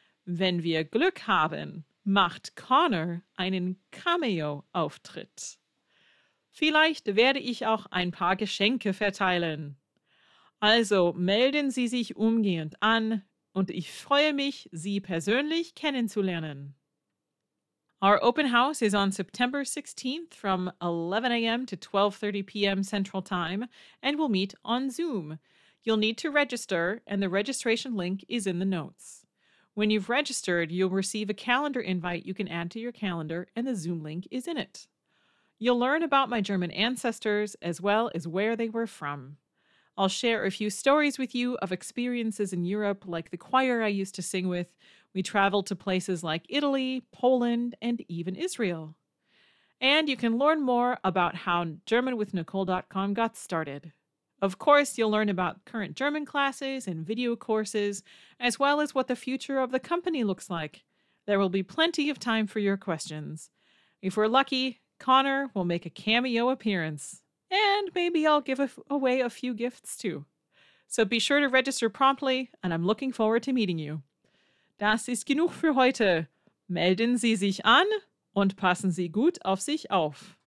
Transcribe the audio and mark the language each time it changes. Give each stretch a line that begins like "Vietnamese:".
German: Wenn wir Glück haben, macht Connor einen Cameo-Auftritt. Vielleicht werde ich auch ein paar Geschenke verteilen. Also melden Sie sich umgehend an und ich freue mich, Sie persönlich kennenzulernen.
English: Our open house is on September 16th from 11 a.m. to 12:30 p.m. Central Time and we'll meet on Zoom. You'll need to register and the registration link is in the notes. When you've registered, you'll receive a calendar invite you can add to your calendar, and the Zoom link is in it. You'll learn about my German ancestors, as well as where they were from. I'll share a few stories with you of experiences in Europe, like the choir I used to sing with. We traveled to places like Italy, Poland, and even Israel. And you can learn more about how GermanWithNicole.com got started. Of course, you'll learn about current German classes and video courses, as well as what the future of the company looks like. There will be plenty of time for your questions. If we're lucky, Connor will make a cameo appearance. And maybe I'll give away a few gifts too. So be sure to register promptly, and I'm looking forward to meeting you.
German: Das ist genug für heute. Melden Sie sich an und passen Sie gut auf sich auf.